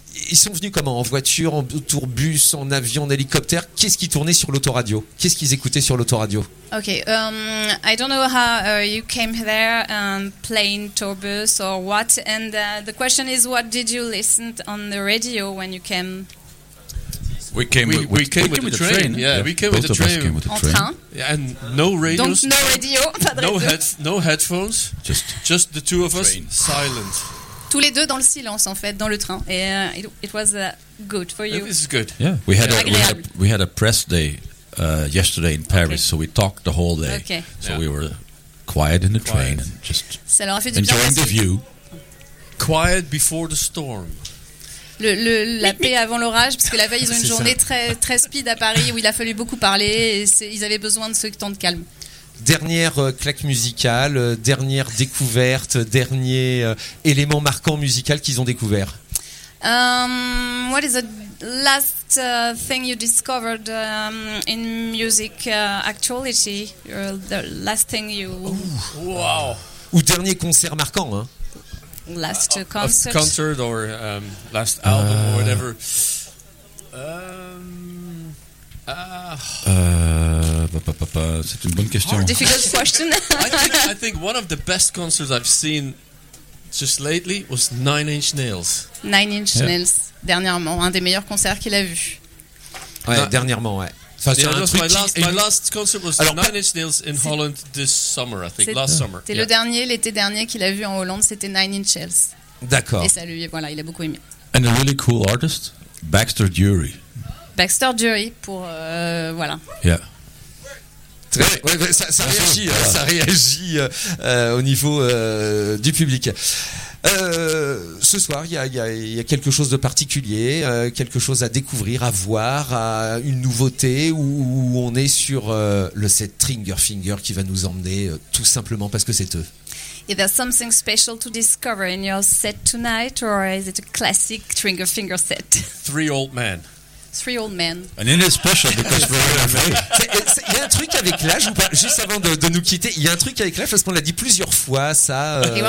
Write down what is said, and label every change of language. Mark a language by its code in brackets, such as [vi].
[fr] Ils sont venus comment? En voiture, en tourbus, en avion, en hélicoptère? Qu'est-ce qu'ils tournaient sur l'autoradio? Qu'est-ce qu'ils écoutaient sur l'autoradio? [en] Ok, I don't know how you came there, plane, tourbus or what. And the question is, what did you listen on the radio when you came? We came with the train. Yeah, we came with the train. And no radios. Don't know radio. No headphones. Just the two of us. Silent. [fr] Tous les deux dans le silence en fait dans le train. [en] And it was good for you. It was good. Yeah, we had a press day yesterday in Paris, okay. So we talked the whole day. Okay. So yeah. We were quiet in the train and just [fr] ça leur a fait [en] enjoying [fr] du bien [en] the [fr] aussi. [en] View. Quiet before the storm. [fr] La paix avant l'orage, parce que la veille, ils ont une journée très, très speed à Paris où il a fallu beaucoup parler et ils avaient besoin de ce temps de calme. Dernière claque musicale, dernière découverte, dernier élément marquant musical qu'ils ont découvert. [en] What is the last thing you discovered in music actuality? The last thing you... Ooh. Wow. [fr] Ou dernier concert marquant, hein? [en] Last concert. Concert or last album or whatever. [fr] C'est une bonne question. [en] Difficult question. I think one of the best concerts I've seen just lately was Nine Inch Nails. [fr] Dernièrement, un des meilleurs concerts qu'il a vu. Ouais, dernièrement, ouais. [en] Enfin, yeah, my last concert was Nine Inch Nails in Holland this summer, I think, last summer. [fr] C'était le dernier, l'été dernier qu'il a vu en Hollande, c'était Nine Inch Nails. D'accord. Et ça lui, voilà, il a beaucoup aimé. [en] And a really cool artist, Baxter Dury. [fr] Baxter Dury, pour, voilà. [en] Yeah. [fr] Très, ouais, ça réagit, ça, ça réagit au niveau du public. Ce soir, il y a quelque chose de particulier, quelque chose à découvrir, à voir, à une nouveauté où on est sur le set Trigger Finger qui va nous emmener tout simplement parce que c'est eux. [en] Is there something special to discover in your set tonight, or is it a classic Trigger Finger set? Three old men. And it is special because we're all men. [fr] Il y a un truc avec l'âge, juste avant de nous quitter, il y a un truc avec l'âge parce qu'on l'a dit plusieurs fois, ça.